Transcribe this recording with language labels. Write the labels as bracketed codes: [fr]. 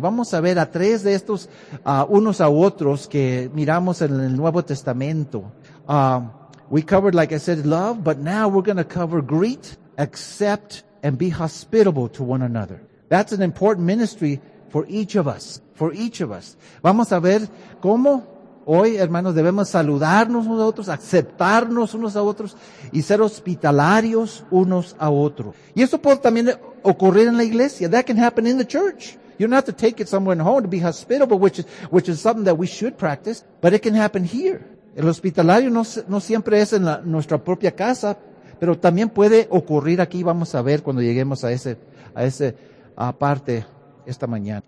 [es] Vamos a ver a tres de estos unos a otros que miramos en el Nuevo Testamento. [en] We covered, like I said, love, but now we're going to cover greet, accept, and be hospitable to one another. That's an important ministry for each of us, for each of us. [es] Vamos a ver cómo hoy, hermanos, debemos saludarnos unos a otros, aceptarnos unos a otros y ser hospitalarios unos a otros. Y eso puede también ocurrir en la iglesia. [en] That can happen in the church. You don't have to take it somewhere home to be hospitable, which is something that we should practice, but it can happen here. [es] El hospitalario no siempre es en nuestra propia casa, pero también puede ocurrir aquí. Vamos a ver cuando lleguemos a esa parte esta mañana.